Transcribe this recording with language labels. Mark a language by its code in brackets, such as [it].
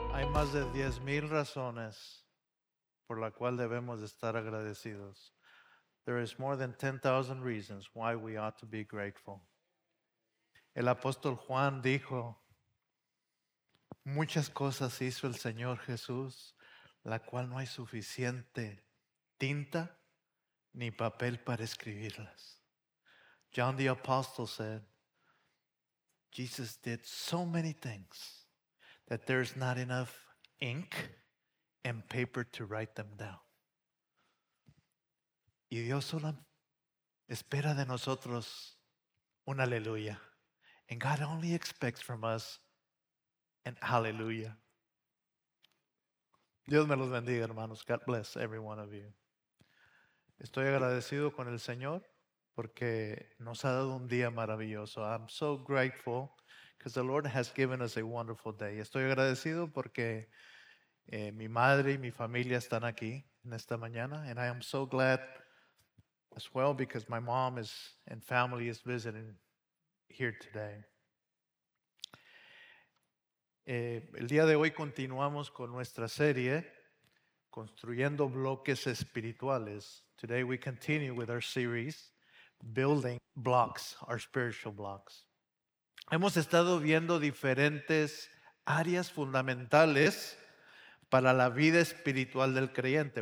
[es] más de 10,000 razones por la cual debemos estar agradecidos. [en] There is more than 10,000 reasons why we ought to be grateful. [es] El apóstol Juan dijo, muchas cosas hizo el Señor Jesús, la cual no hay suficiente tinta ni papel para escribirlas. [en] John the Apostle said, Jesus did so many things that there's not enough ink and paper to write them down. [es] Y Dios solo espera de nosotros un aleluya. [en] And God only expects from us an hallelujah. [es] Dios me los bendiga, hermanos. [en] God bless every one of you. [es] Estoy agradecido con el Señor porque nos ha dado un día maravilloso. [en] I'm so grateful because the Lord has given us a wonderful day. [es] Estoy agradecido porque mi madre y mi familia están aquí en esta mañana. [en] And I am so glad as well because my mom is and family is visiting here today. [es] El día de hoy continuamos con nuestra serie Construyendo Bloques Espirituales. [en] Today we continue with our series Building Blocks, our spiritual blocks. [es] Hemos estado viendo diferentes áreas fundamentales para la vida espiritual del creyente.